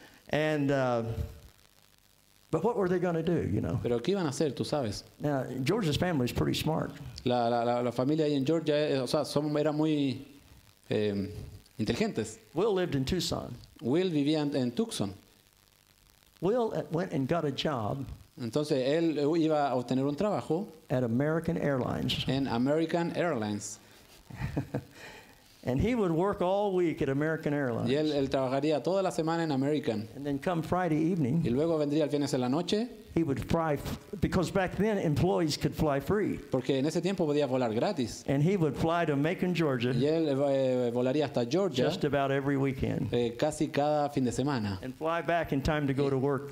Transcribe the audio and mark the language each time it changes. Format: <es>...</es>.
<en>And but what were they going to do, you know?</en> <es>Pero qué iban a hacer, tú sabes.</es> <en>Now, George's family is pretty smart.</en> <es>La familia ahí en Georgia, o sea, eran muy inteligentes.</es> <en>Will lived in Tucson.</en> <es>Will vivía en Tucson.</es> <en>Will went and got a job.</en> <es>Entonces él iba a obtener un trabajo</es> <en>at American Airlines.</en> <es>En American Airlines.</es> <en>And he would work all week at American Airlines.</en> <es>Y él trabajaría toda la semana en American.</es> <en>And then come Friday evening.</en> <es>Y luego vendría el viernes en la noche.</es> <en>He would fly because back then employees could fly free.</en> <es>Porque en ese tiempo podía volar gratis.</es> <en>And he would fly to Macon, Georgia.</en> <es>Y él volaría hasta Georgia.</es> <en>Just about every weekend.</en> <es>Casi cada fin de semana.</es> <en>And fly back in time to go to work.</en>